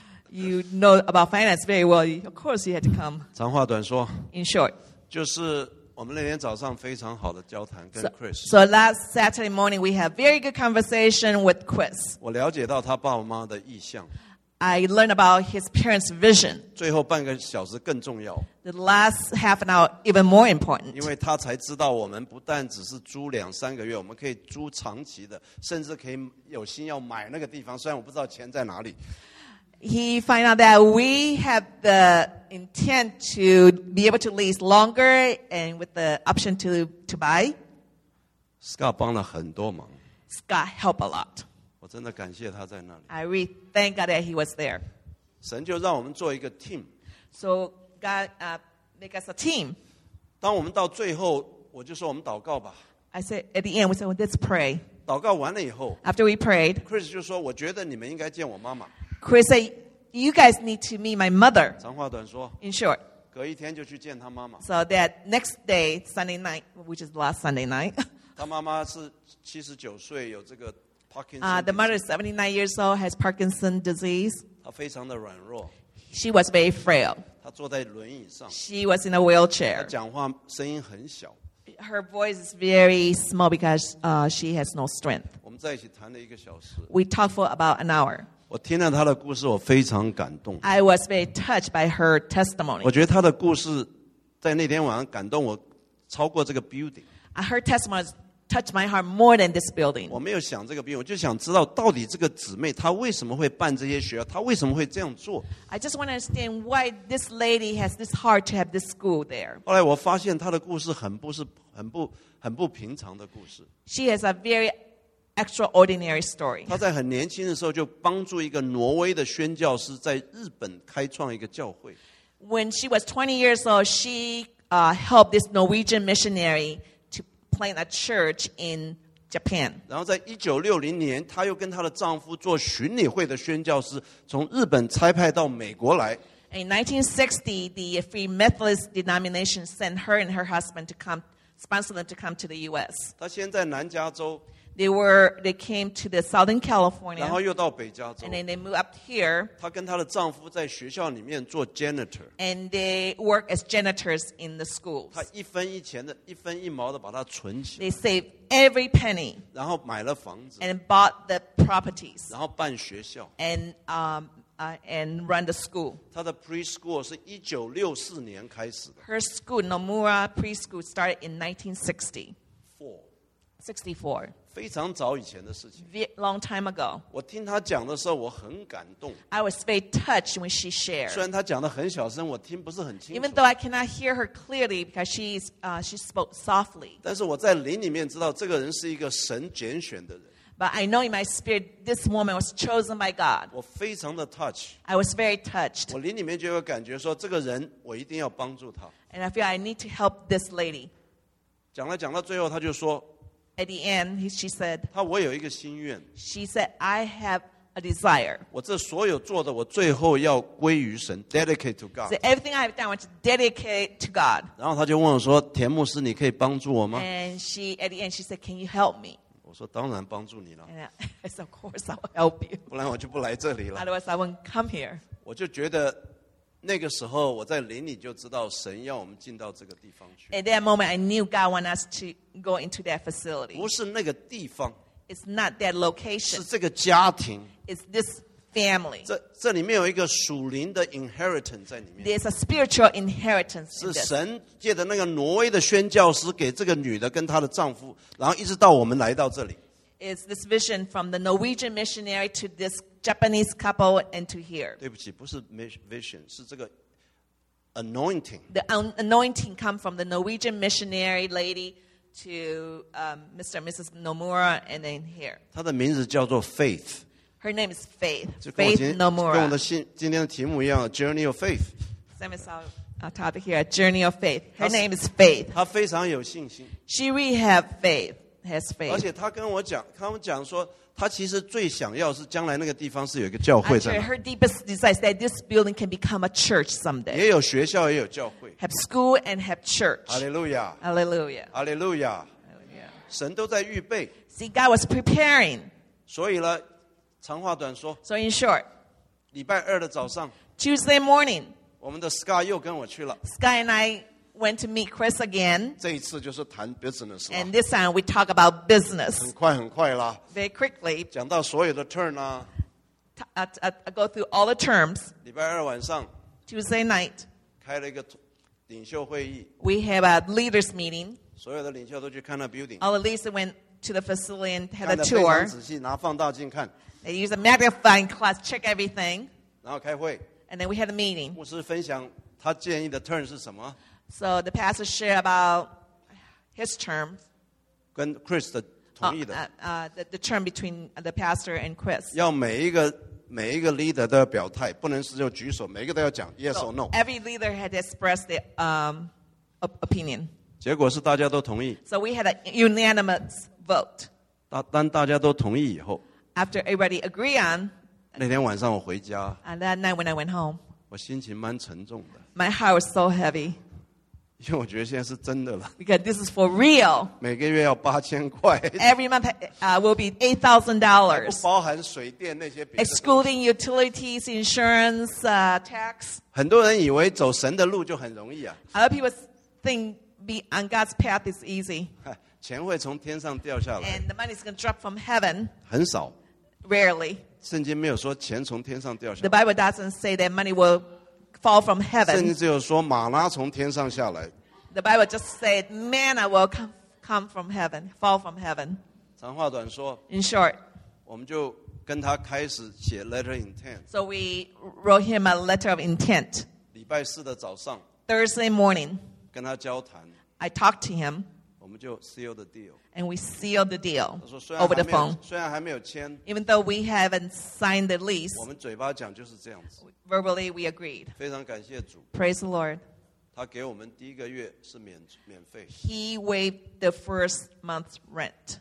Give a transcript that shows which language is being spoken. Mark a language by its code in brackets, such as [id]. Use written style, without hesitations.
[en] you know about finance very well. Of course, you had to come. [zh] 长话短说, [en] in short, [zh] 我们那天早上非常好的交谈跟Chris。 [en] So last Saturday morning, we had very good conversation with Chris. [zh] 我了解到他爸爸妈妈的意向。 [en] I learned about his parents' vision. [zh] 最后半个小时更重要。 [en] The last half an hour even more important. [zh] 因为他才知道我们不但只是租两三个月，我们可以租长期的，甚至可以有心要买那个地方，虽然我不知道钱在哪里。 [en] He found out that we have the intent to be able to lease longer and with the option to buy. [zh] Scott 帮了很多忙。 [en] Scott helped a lot. [zh] 我真的感谢他在那里。 [en] I really thank God that he was there. [zh] 神就让我们做一个 team. [en] So God make us a team. [zh] 当我们到最后, 我就说我们祷告吧。 [en] I said at the end, we said, well, let's pray. [zh] 祷告完了以后, [en] after we prayed, [zh] Chris 就说, 我觉得你们应该见我妈妈。 [en] Chris said, you guys need to meet my mother. [zh] 长话短说, [en] in short. [zh] 隔一天就去见他妈妈。 [en] So that next day, Sunday night, which is last Sunday night. [zh] 他妈妈是79岁, 有这个Parkinson's [en] disease. The mother is 79 years old, has Parkinson's disease. [zh] 她非常的软弱。 [en] She was very frail. [zh] 她坐在轮椅上。 [en] She was in a wheelchair. [zh] 她讲话声音很小。 [en] Her voice is very small because she has no strength. [zh] 我们在一起谈了一个小时。 [en] We talked for about an hour. [zh] 我听了她的故事，我非常感动。 [en] I was very touched by her testimony. [zh] 我觉得她的故事在那天晚上感动我超过这个building。 [en] Her testimony touched my heart more than this building. [zh] 我没有想这个building，我就想知道到底这个姊妹她为什么会办这些学校，她为什么会这样做。 [en] I just want to understand why this lady has this heart to have this school there. [zh] 后来我发现她的故事很不平常的故事。 [en] She has a very extraordinary story. [zh] 他在很年轻的时候就帮助一个挪威的宣教师在日本开创一个教会。 [en] When she was 20 years old, she helped this Norwegian missionary to plant a church in Japan. [zh] 然后在1960年, 她又跟她的丈夫做巡理会的宣教师从日本差派到美国来。 [en] In 1960, the Free Methodist denomination sent her and her husband to come, sponsor them to come to the U.S. [zh] 她现在南加州。 [en] They came to the Southern California. [zh] 然后又到北加州, [en] and then they moved up here. [zh] 她跟她的丈夫在学校里面做 janitor. [en] And they work as janitors in the schools. [zh] 她一分一钱的, 一分一毛的把它存起来, [en] they save every penny. [zh] 然后买了房子, [en] and bought the properties. [zh] 然后办学校, [en] and run the school. [zh] 她的preschool是1964年开始的。 [en] Her school, Nomura Preschool, started in 1960. Four. Long time ago. [zh] 我听她讲的时候, 我很感动, [en] I was very touched when she shared. [zh] 虽然她讲得很小声, 我听不是很清楚, [en] even though I cannot hear her clearly because she spoke softly. [zh] 但是我在灵里面知道, 这个人是一个神拣选的人。 [en] But I know in my spirit, this woman was chosen by God. [zh] 我非常的 touch. [en] I was very touched. [zh] 我灵里面就有感觉说, 这个人我一定要帮助她。 [en] And I feel I need to help this lady. [zh] 讲了讲到最后她就说, [en] At the end, she said, [zh] 她我有一个心愿, [en] She said, I have a desire. [zh] 我这所有做的, 我最后要归于神, [en] dedicate to God. So everything I have done, I want to dedicate to God. [zh] 然后她就问我说, 田牧师, 你可以帮助我吗? [en] And she, at the end, she said, Can you help me? [zh] 我说当然帮助你了。 [en] I said, of course I'll help you. [zh] 不然我就不来这里了。 [en] Otherwise, I wouldn't come here. [zh] 我就觉得, 那个时候我在林里就知道神要我们进到这个地方去。 [en] At that moment, I knew God wanted us to go into that facility. [zh] 不是那个地方, [en] It's not that location. [zh] 是这个家庭, [en] It's this family. [zh] 这里面有一个属灵的 inheritance 在里面。 [en] There's a spiritual inheritance in this. [zh] 是神借着那个挪威的宣教师给这个女的跟她的丈夫, 然后一直到我们来到这里。 [en] It's this vision from the Norwegian missionary to this Japanese couple and to here. [zh] 对不起, 不是vision, 是这个 anointing. [en] The anointing come from the Norwegian missionary lady to Mr. and Mrs. Nomura and then here. [zh] 她的名字叫做 Faith. [en] Her name is Faith. Faith Nomura. [zh] 跟我的今天的题目一样, Journey of Faith. [en] Same as our topic here, Journey of Faith. Her name is Faith. [zh] 她非常有信心。 [en] She really have faith. Has faith. [zh] 而且她跟我讲说, 她其实最想要是将来那个地方是有一个教会在哪。 [en] Her deepest desire is that this building can become a church someday. [zh] 也有学校, 也有教会。 [en] Have school and have church. Hallelujah. Hallelujah. [zh] Hallelujah. 神都在预备。 [en] See, God was preparing. [zh] 所以呢, 长话短说, [en] So in short, [zh] 礼拜二的早上, [en] Tuesday morning, [zh] 我们的Scott又跟我去了。 [en] Sky and I went to meet Chris again. [zh] 这一次就是谈 business 了。 [en] And this time we talk about business. [zh] 很快很快啦, [en] Very quickly. [zh] 讲到所有的 turn 啊, [en] go through all the terms. [zh] 礼拜二晚上, [en] Tuesday night. [zh] 开了一个领袖会议, [en] we have a leaders meeting. [zh] 所有的领袖都去看那 building. [en] All the leaders went to the facility and had a tour. [zh] 看得非常仔细, 拿放大镜看, [en] they used a magnifying glass, check everything. [zh] 然后开会, [en] and then we had a meeting. [zh] 牧师分享他建议的 turn 是什么? [en] So the pastor shared about his term. [zh] 跟Chris的同意的。 [en] The term between the pastor and Chris. [zh] 要每一个 leader 都要表态, 不能是就举手, 每一个都要讲, [en] yes so or no. Every leader had expressed their opinion. [zh] 结果是大家都同意。 [en] So we had a unanimous vote. [zh] 当大家都同意以后, [en] After everybody agreed on, [zh] 那天晚上我回家, [en] and that night when I went home, [zh] 我心情蛮沉重的。 [en] My heart was so heavy. [zh] 因为我觉得现在是真的了, [en] because this is for real. [zh] 每个月要8000块, [en] every month will be $8,000. [zh] 还不包含水电那些别的东西, [en] excluding utilities, insurance, tax. [zh] 很多人以为走神的路就很容易啊, [en] other people think be on God's path is easy. [zh] 钱会从天上掉下来, [en] and the money is going to drop from heaven. [zh] 很少, [en] rarely. [zh] 圣经没有说钱从天上掉下来, [en] the Bible doesn't say that money will fall from heaven. [zh] 甚至只有说马拉从天上下来, [en] the Bible just said manna will come from heaven, fall from heaven. [zh] 长话短说, [en] in short, [zh] 我们就跟他开始写 [en] letter intent. So we wrote him a letter of intent. [zh] 礼拜四的早上, [en] Thursday morning, [zh] 跟他交谈, [en] I talked to him. [zh] 我们就 [en] seal the deal. And we sealed the deal. [zh] 他说, [en] over the phone. [zh] 虽然还没有签, [en] even though we haven't signed the lease, [zh] 我们嘴巴讲就是这样子, [en] verbally we agreed. [zh] 非常感谢主, [en] praise the Lord. [zh] 他给我们第一个月是免费, [en] he waived the first month's rent.